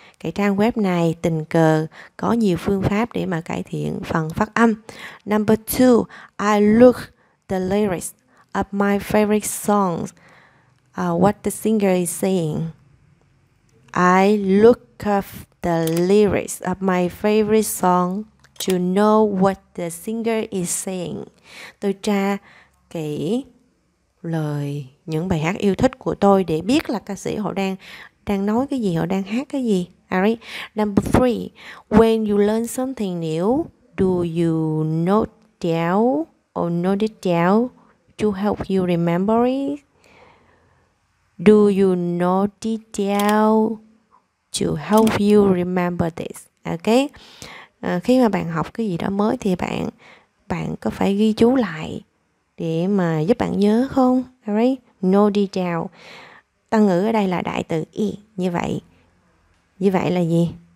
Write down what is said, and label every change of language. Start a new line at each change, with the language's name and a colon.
Vietnamese: Cái trang web này tình cờ có nhiều phương pháp để mà cải thiện phần phát âm.
English: Number two, I look the lyrics of my favorite songs. What the singer is saying. I look up the lyrics of my favorite song to know what the singer is saying.
Vietnamese: Tôi tra kỹ lời những bài hát yêu thích của tôi để biết là ca sĩ họ đang nói cái gì, họ đang hát cái gì.
English: Alright. Number three, when you learn something new, do you note down or note it down to help you remember it? Do you note it down to help you remember this? Okay.
Vietnamese: Khi mà bạn học cái gì đó mới thì bạn có phải ghi chú lại để mà giúp bạn nhớ không? Alright.
English: Note it down.
Vietnamese: Tân ngữ ở đây là đại từ y. Như vậy. Như vậy là gì?